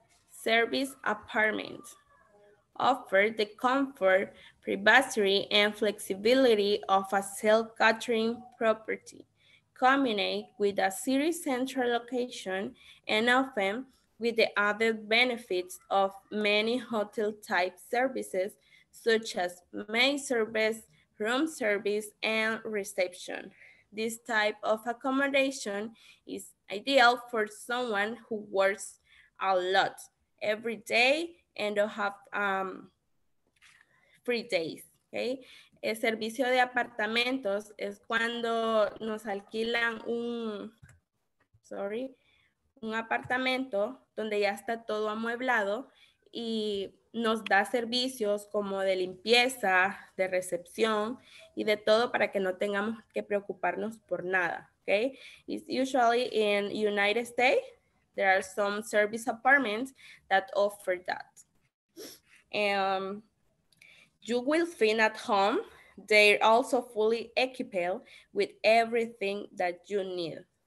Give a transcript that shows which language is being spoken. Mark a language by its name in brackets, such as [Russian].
[English] Service apartment offer the comfort, privacy, and flexibility of a self-catering property, combined with a city central location and often with the other benefits of many hotel type services, such as maid service, room service, and reception. This type of accommodation is ideal for someone who works a lot every day and don't have free days, okay? [Spanish] El servicio de apartamentos es cuando nos alquilan un apartamento donde ya está todo amueblado y nos da servicios como de limpieza, de recepción y de todo para que no tengamos que preocuparnos por nada, okay? [English] It's usually in United States, there are some service apartments that offer that. You will feel at home. They're also fully equipped with everything that you need.